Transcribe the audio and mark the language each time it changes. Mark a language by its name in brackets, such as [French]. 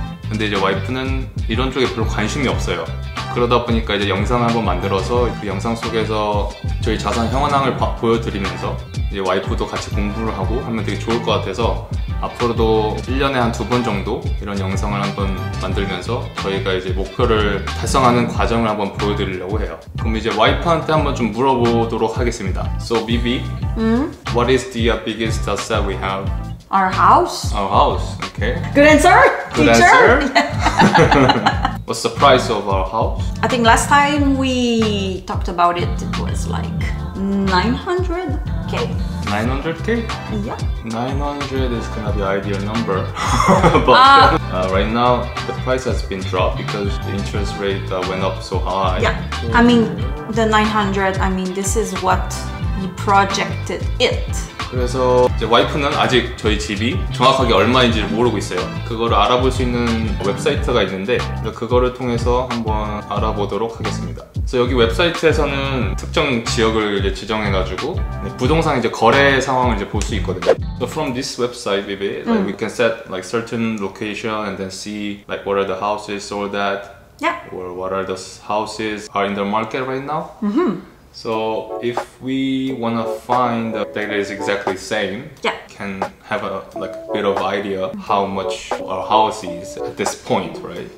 [Korean] 근데 이제 와이프는 이런 쪽에 별로 관심이 없어요. 그러다 보니까 이제 영상을 한번 만들어서 그 영상 속에서 저희 자산 현황을 보여드리면서 이제 와이프도 같이 공부를 하고 하면 되게 좋을 것 같아서 앞으로도 1년에 한 두 번 정도 이런 영상을 한번 만들면서 저희가 이제 목표를 달성하는 과정을 한번 보여드리려고 해요. 그럼 이제 와이프한테 한번 좀 물어보도록 하겠습니다. [English] So, Bibi, what is the biggest asset we have? Our house. Our house, okay. Good answer, good teacher. Answer. What's the price of our house? I think last time we talked about it, it was like 900K. 900K? Yeah. 900 is gonna be ideal number. But right now, the price has been dropped because the interest rate went up so high. Yeah, so I mean, the 900, I mean, this is what we projected it. [Korean] 그래서 이제 와이프는 아직 저희 집이 정확하게 얼마인지를 모르고 있어요. 그거를 알아볼 수 있는 웹사이트가 있는데 그거를 통해서 한번 알아보도록 하겠습니다. 그래서 여기 웹사이트에서는 특정 지역을 이제 지정해가지고 부동산 이제 거래 상황을 이제 볼 수 있거든요. [English] So from this website, maybe like we can set like certain location and then see like what are the houses sold at, yeah. or what are the houses are in the market right now. Mm-hmm. So if we want to find the data is exactly the same, yeah. can have a like bit of idea how much our house is at this point, right?